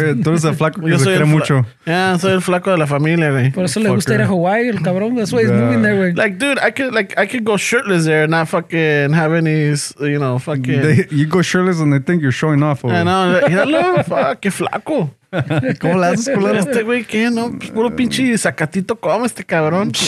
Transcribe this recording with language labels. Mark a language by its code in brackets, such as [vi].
[es] Tú eres el flaco que se quiere mucho. Yeah, soy el flaco de la familia, we. Por eso le gusta ir a Hawaii, el cabrón. [en] That's why he's moving there, we. Like, dude, I could go shirtless there and not fucking have any, you know, fucking... You go shirtless and they think you're showing off, we. I know. Hello? Fuck, flaco. [es] ¿Cómo le haces culero este güey? ¿Qué? No, puro pinche sacatito como este cabrón.